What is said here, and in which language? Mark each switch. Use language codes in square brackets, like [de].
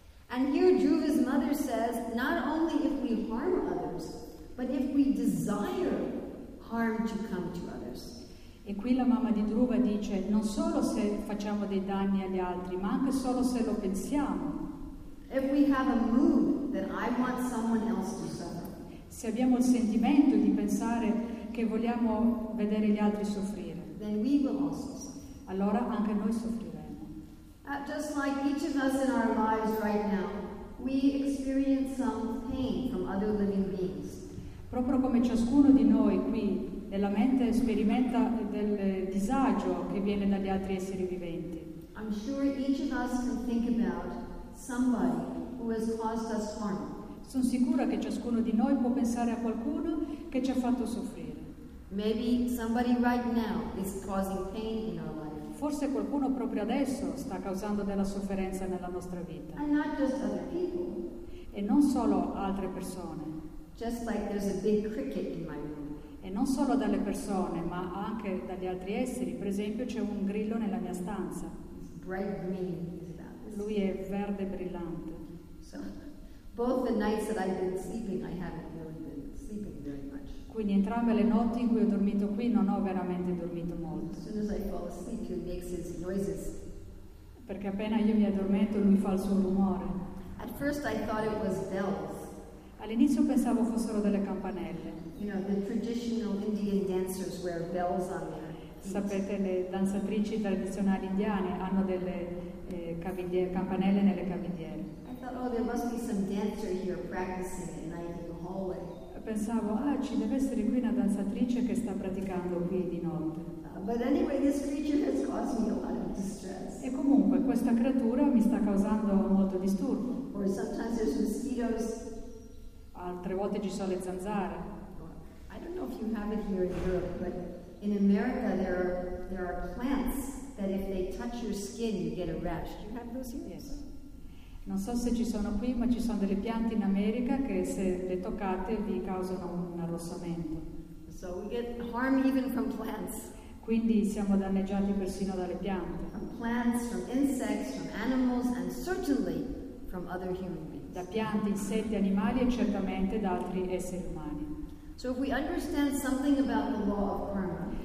[en] And here Dhruva's mother says, not only if we harm others, but if we desire harm to come to others. [it] E qui la mamma di Dhruva dice, non solo se facciamo dei danni agli altri, ma anche solo se lo pensiamo. [en] If we have a mood that I want someone else to suffer. [it] Se abbiamo il sentimento di pensare che vogliamo vedere gli altri soffrire. [en] Then we will also suffer. [it] Allora anche noi soffriremo. [en] Just like each of us in our lives right now, we experience some pain from other living beings. [it] Proprio come ciascuno di noi qui nella mente sperimenta del disagio che viene dagli altri esseri viventi. [en] I'm sure each of us can think about somebody who has caused us harm. [it] Sono sicura che ciascuno di noi può pensare a qualcuno che ci ha fatto soffrire. [en] Maybe somebody right now is causing pain in our life. [it] Forse qualcuno proprio adesso sta causando della sofferenza nella nostra vita. [en] And not just other people. [it] E non solo altre persone. [en] Just like there's a big cricket in my room. [it] E non solo dalle persone, ma anche dagli altri esseri. Per esempio, c'è un grillo nella mia stanza. [en] Bright green. [it] Lui è verde brillante. [en] So, both the nights that I've been sleeping, I haven't really been sleeping very much. [it] Quindi entrambe le notti in cui ho dormito qui non ho veramente dormito molto. [en] As soon as I fall asleep, he makes his noises. [it] Perché appena io mi addormento lui fa il suo rumore. [en] At first I thought it was bells. [it] All'inizio pensavo fossero delle campanelle. [en] You know, the traditional Indian dancers wear bells on their feet. [it] Sapete, le danzatrici tradizionali indiane hanno delle campanelle nelle cavigliere. [en] I thought, oh, there must be some dancer here practicing at night in the hallway. [it] Pensavo, ah, ci deve essere qui una danzatrice che sta praticando qui di notte. [en] But anyway, this creature has caused me a lot of distress. [it] E comunque questa creatura mi sta causando molto disturbo. [en] Or sometimes there's mosquitoes. [it] Altre volte ci sono le zanzare. [en] I don't know if you have it here in Europe, but in America there are plants that if they touch your skin you get a rash. Do you have those here? Yes. [it] Non so se ci sono qui, ma ci sono delle piante in America che se le toccate vi causano un arrossamento. [en] So we get harm even from plants. [it] Quindi siamo danneggiati persino dalle piante. [en] From plants, from insects, from animals, and certainly from other human beings. [it] Da piante, insetti, animali e certamente da altri esseri umani. [en] So if we understand something about the law of karma,